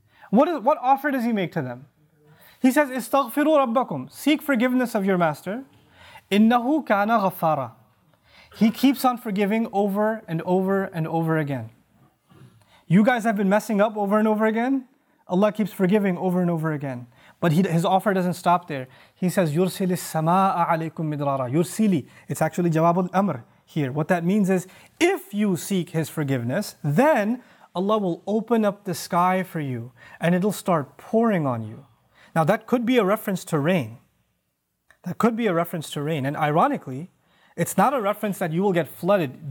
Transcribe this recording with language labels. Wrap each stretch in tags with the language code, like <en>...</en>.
<en>What offer does he make to them? He says,</en> <ar>استغفروا ربكم.</ar> <en>Seek forgiveness of your master.</en> <ar>إِنَّهُ كَانَ غَفَّارًا.</ar> <en>He keeps on forgiving over and over and over again. You guys have been messing up over and over again. Allah keeps forgiving over and over again. But his offer doesn't stop there. He says,</en> <ar>يُرْسِلِ السَّمَاءَ عَلَيْكُمْ مِدْرَارًا. يُرْسِلِ.</ar> <en>It's actually جَوَابُ الْأَمْرِ here. What that means is, if you seek his forgiveness, then Allah will open up the sky for you and it'll start pouring on you. Now that could be a reference to rain. That could be a reference to rain. And ironically, it's not a reference that you will get flooded.</en>